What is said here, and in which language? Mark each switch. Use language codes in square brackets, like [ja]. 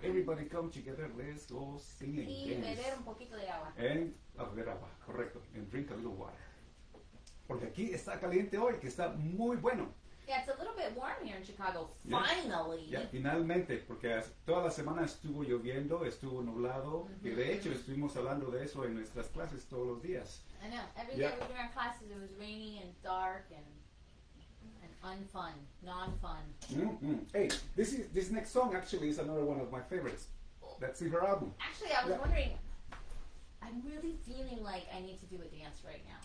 [en] Everybody come together, let's go sing and dance. [es] Y beber un poquito de agua. [en] And [es] a beber agua, correcto. [en] And drink a little water. [es] Porque aquí está caliente hoy, que está muy bueno. [en] Yeah, it's a little bit warm here in Chicago, finally. [es] Yeah, finalmente, porque toda la semana estuvo lloviendo, estuvo nublado, mm-hmm. y de hecho estuvimos hablando de eso en nuestras clases todos los días. [en] I know, every day we were in our classes, it was rainy and dark and unfun, non-fun. Mm-hmm. Hey, this next song actually is another one of my favorites. That's her album. Actually, I was wondering, I'm really feeling like I need to do a dance right now.